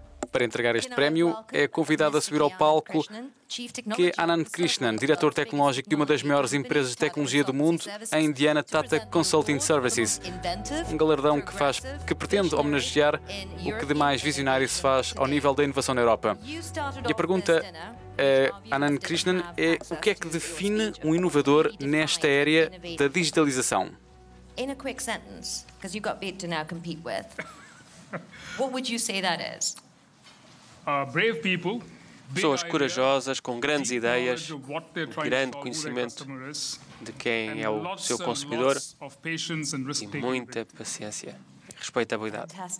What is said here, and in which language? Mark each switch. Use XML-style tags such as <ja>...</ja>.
<pt>Para entregar este prémio, é convidada a subir ao palco que é Anand Krishnan, diretor tecnológico de uma das maiores empresas de tecnologia do mundo, a Indiana Tata Consulting Services, um galardão que pretende homenagear o que de mais visionário se faz ao nível da inovação na Europa. E a pergunta a Anand Krishnan é: o que é que define um inovador nesta área da digitalização?</pt> <en>In a quick sentence, because you've got Beat to now compete with, what would you say that is? Brave people</en> <pt>pessoas corajosas, com grandes ideias, grande conhecimento de quem é o seu consumidor e muita paciência e respeitabilidade.</pt>